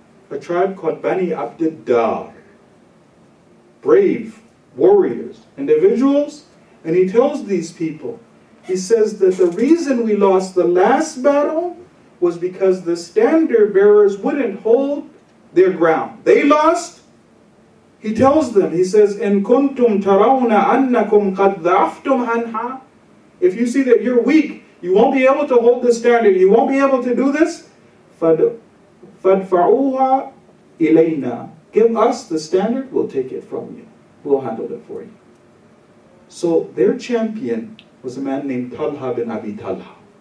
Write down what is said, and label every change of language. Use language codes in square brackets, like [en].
[en] A tribe called Bani Abd al-Dar. Brave warriors, individuals. And he tells these people, he says that the reason we lost the last battle was because the standard bearers wouldn't hold their ground. They lost. He tells them, he says, [ar] إِن كُنْتُمْ تَرَوْنَ أَنَّكُمْ قَدْ ضَعَفْتُمْ عَنْهَا. [en] If you see that you're weak, you won't be able to hold the standard, you won't be able to do this, [ar] فَدْفَعُوهَا إِلَيْنَا. [en] Give us the standard, we'll take it from you. We'll handle it for you. So their champion was a man named Talha bin Abi Talha.